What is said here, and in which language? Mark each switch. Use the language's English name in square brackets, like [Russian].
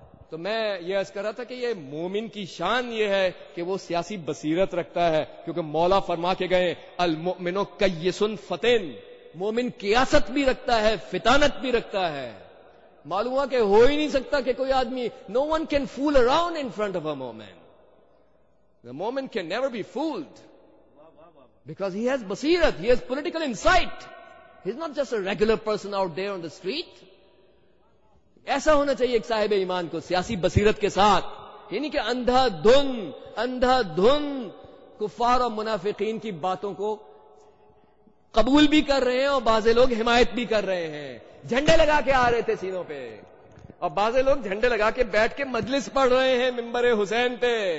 [Urdu] تو میں یہ عرض کر رہا تھا کہ یہ مومن کی شان یہ ہے کہ وہ سیاسی بصیرت رکھتا ہے, کیونکہ مولا فرما کے گئے [Arabic] المؤمن کیس فتن, [Urdu] مومن قیاست بھی رکھتا ہے فتانت بھی رکھتا ہے. معلوم ہوا کہ ہو ہی نہیں سکتا کہ کوئی آدمی, [English] No one can fool around in front of a momin, the momin can never be fooled because he has basirat, he has political insight. He's not just a regular person out there on the street. [Urdu] ایسا ہونا چاہیے ایک صاحب ایمان کو سیاسی بصیرت کے ساتھ, یعنی کہ اندھا دھن کفار اور منافقین کی باتوں کو قبول بھی کر رہے ہیں اور بعض لوگ حمایت بھی کر رہے ہیں, جھنڈے لگا کے آ رہے تھے سینوں پہ, اور بعض لوگ جھنڈے لگا کے بیٹھ کے مجلس پڑھ رہے ہیں ممبر حسین پہ.